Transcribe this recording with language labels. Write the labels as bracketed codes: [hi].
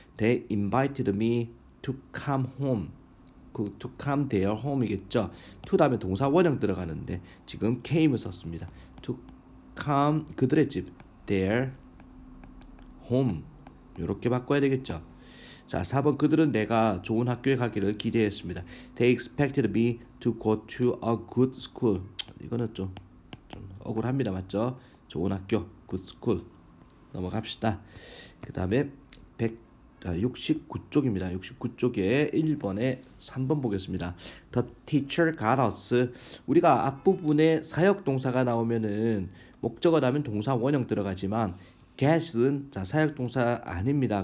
[en] They invited me to come home. 그 to come their home이겠죠. [ko] to 다음에 동사 원형 들어가는데 지금 came을 썼습니다. [en] to come [ko] 그들의 집 [en] their home [ko] 이렇게 바꿔야 되겠죠. 자, 4번 그들은 내가 좋은 학교에 가기를 기대했습니다. [en] They expected me to go to a good school. [ko] 이거는 좀 억울합니다, 맞죠? 좋은 학교, good school 넘어갑시다. 그 다음에 100 자, 69쪽입니다. 69쪽에 1번에 3번 보겠습니다. [en] The teacher got us. [ko] 우리가 앞부분에 사역 동사가 나오면은 목적어 다음에 동사 원형 들어가지만 get은 자, 사역 동사 아닙니다.